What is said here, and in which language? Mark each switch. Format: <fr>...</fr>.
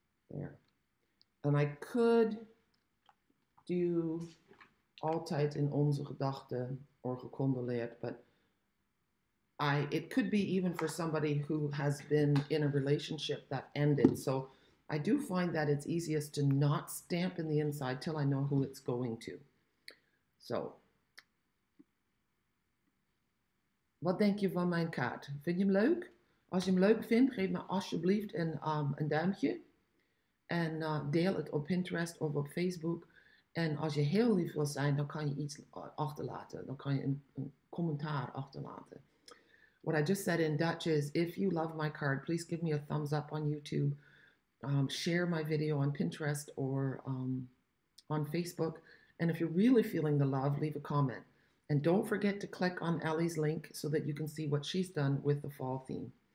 <en>There. And I could do</en> <nl>altijd in onze gedachten</nl> <en>or</en> <nl>gecondoleerd,</nl> <en>but it could be even for somebody who has been in a relationship that ended. So I do find that it's easiest to not stamp in the inside till I know who it's going to. So.</en> <nl>Wat denk je van mijn kaart? Vind je hem leuk? Als je hem leuk vindt, geef me alsjeblieft een duimpje. En deel het op Pinterest of op Facebook. En als je heel lief wil zijn, dan kan je iets achterlaten. Dan kan je een commentaar achterlaten.</nl> <en>What I just said in Dutch is, if you love my card, please give me a thumbs up on YouTube. Share my video on Pinterest or on Facebook. And if you're really feeling the love, leave a comment. And don't forget to click on Ellie's link so that you can see what she's done with the fall theme.</en>